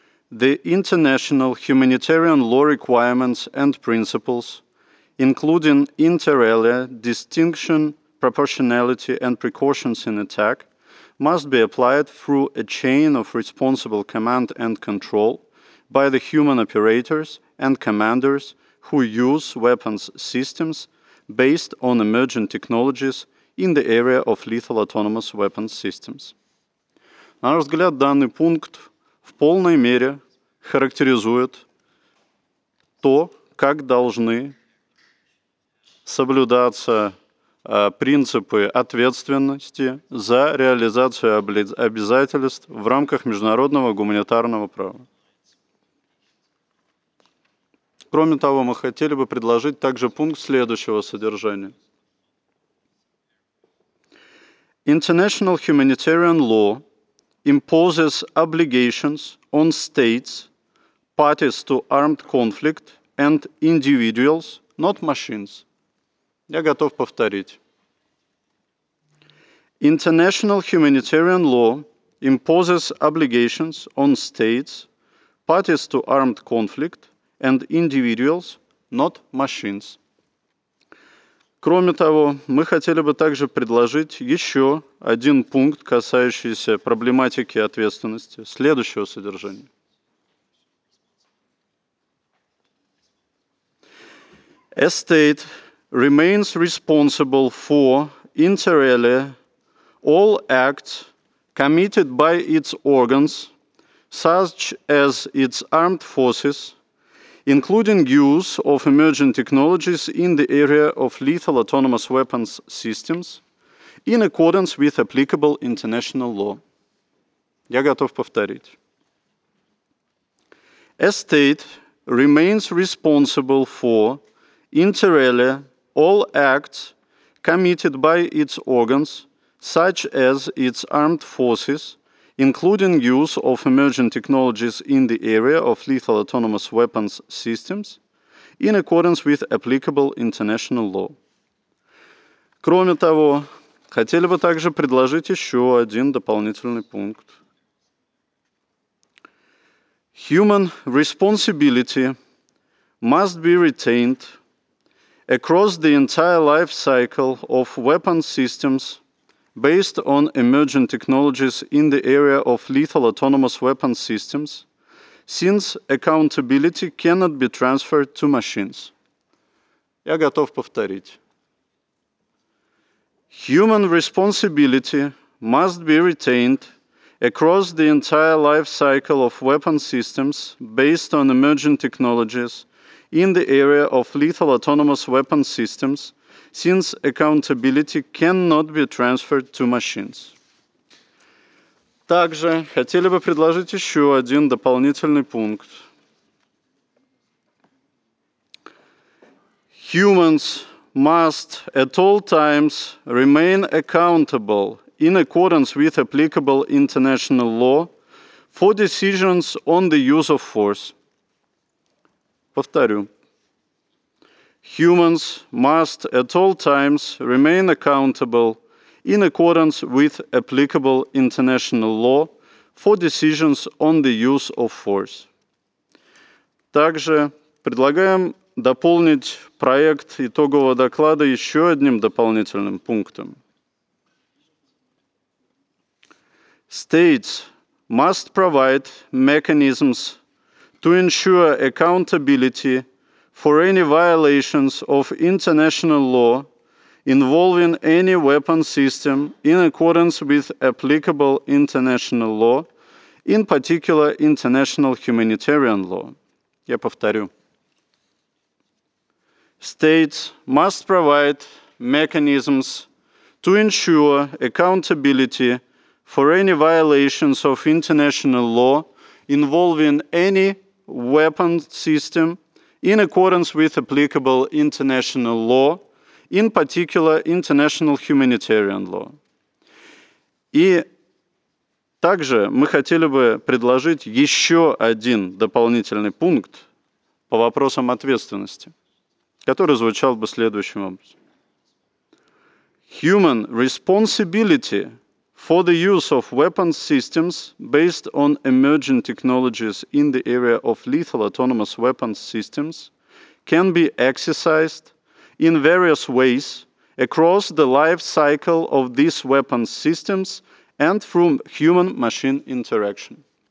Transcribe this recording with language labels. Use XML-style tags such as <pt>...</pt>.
<en>The international humanitarian law requirements and principles, including inter alia distinction, proportionality and precautions in attack, must be applied through a chain of responsible command and control by the human operators and commanders who use weapons systems based on emerging technologies in the area of lethal autonomous weapons systems.</en> <ru>На наш взгляд, данный пункт в полной мере характеризует то, как должны соблюдаться принципы ответственности за реализацию обязательств в рамках международного гуманитарного права. Кроме того, мы хотели бы предложить также пункт следующего содержания.</ru> <en>International humanitarian law imposes obligations on states, parties to armed conflict, and individuals, not machines.</en> <ru>Я готов повторить.</ru> <en>International humanitarian law imposes obligations on states, parties to armed conflict, and individuals, not machines.</en> <ru>Кроме того, мы хотели бы также предложить еще один пункт, касающийся проблематики ответственности, следующего содержания.</ru> <en>A state remains responsible for inter alia all acts committed by its organs, such as its armed forces, including use of emerging technologies in the area of lethal autonomous weapons systems, in accordance with applicable international law.</en> <ru>Я готов повторить.</ru> <en>A state remains responsible for inter alia all acts committed by its organs, such as its armed forces, including use of emerging technologies in the area of lethal autonomous weapons systems, in accordance with applicable international law.</en> <ru>Кроме того, хотели бы также предложить еще один дополнительный пункт.</ru> <en>Human responsibility must be retained across the entire life cycle of weapon systems based on emerging technologies in the area of lethal autonomous weapon systems, since accountability cannot be transferred to machines.</en> <ru>Я готов повторить.</ru> <en>Human responsibility must be retained across the entire life cycle of weapon systems based on emerging technologies in the area of lethal autonomous weapon systems, since accountability cannot be transferred to machines.</en> <ru>Также хотели бы предложить еще один дополнительный пункт.</ru> <en>Humans must at all times remain accountable in accordance with applicable international law for decisions on the use of force.</en> <ru>Повторю.</ru> <en>Humans must at all times remain accountable in accordance with applicable international law for decisions on the use of force.</en> <ru>Также предлагаем дополнить проект итогового доклада еще одним дополнительным пунктом.</ru> <en>States must provide mechanisms to ensure accountability for any violations of international law involving any weapon system in accordance with applicable international law, in particular international humanitarian law.</en> <ru>Я повторю.</ru> <en>States must provide mechanisms to ensure accountability for any violations of international law involving any weapon system in accordance with applicable international law, in particular international humanitarian law.</en> <ru>И также мы хотели бы предложить еще один дополнительный пункт по вопросам ответственности, который звучал бы следующим образом.</ru> <en>Human responsibility for the use of weapon systems based on emerging technologies in the area of lethal autonomous weapon systems can be exercised in various ways across the life cycle of these weapon systems and through human-machine interaction.</en>